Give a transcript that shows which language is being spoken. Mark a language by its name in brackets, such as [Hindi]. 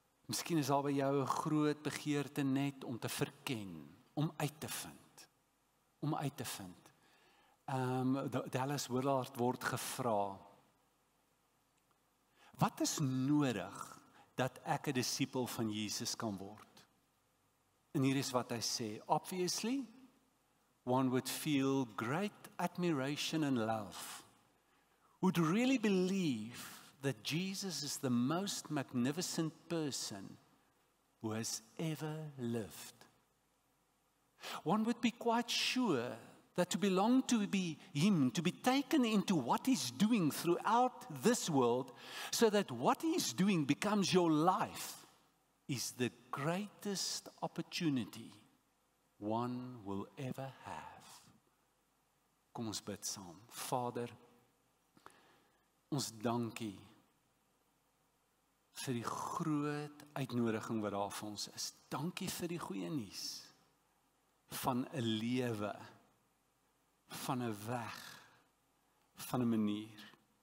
[Afrikaans] Misschien is al by jou een groot begeerte net om te verken, om uit te vind. Om uit te vind. Dallas Willard word gevra. Wat is nodig dat ek een disipel van Jesus kan word? En hier is wat hy sê. [English] Obviously, one would feel great admiration and love. Would really believe that Jesus is the most magnificent person who has ever lived. One would be quite sure that to belong to be him, to be taken into what he's doing throughout this world, so that what he's doing becomes your life, is the greatest opportunity one will ever have. [Afrikaans] Kom ons bid saam. Vader, ons dankie vir die groot uitnodiging wat daar vir ons is. Dankie vir die goeie nuus van 'n lewe, van 'n weg, van 'n manier.